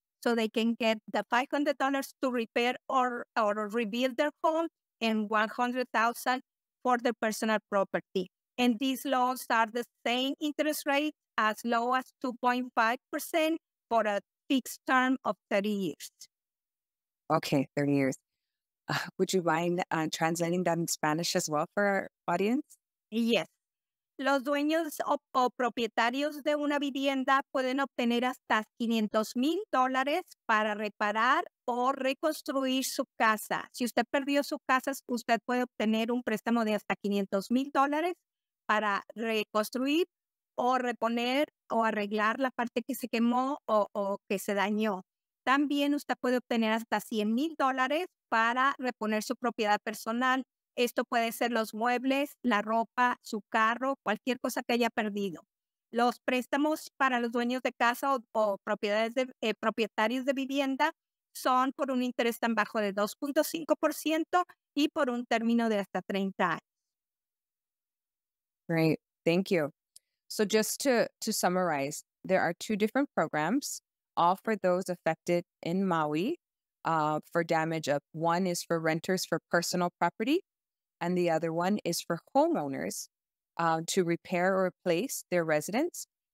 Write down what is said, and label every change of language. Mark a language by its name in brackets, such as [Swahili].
[English] So they can get the $500 to repair or rebuild their home and $100,000 for their personal property. And these loans are the same interest rate, as low as 2.5% for a fixed term of 30 years. Okay, 30 years. Would you mind translating that in Spanish as well for our audience? Yes. [Spanish] Los dueños o propietarios de una vivienda pueden obtener hasta $500,000 para reparar o reconstruir su casa. Si usted perdió su casa, usted puede obtener un préstamo de hasta $500,000 para reconstruir o reponer o arreglar la parte que se quemó o que se dañó. También usted puede obtener hasta $100,000 para reponer su propiedad personal. Esto puede ser los muebles, la ropa, su carro, cualquier cosa que haya perdido. Los préstamos para los dueños de casa o propiedades de propietarios de vivienda son por un interés tan bajo de 2.5% y por un término de hasta 30 años. [English] Great, thank you. So just to summarize, there are two different programs, all for those affected in Maui for damage. One is for renters for personal property. And the other one is for homeowners to repair or replace their residence.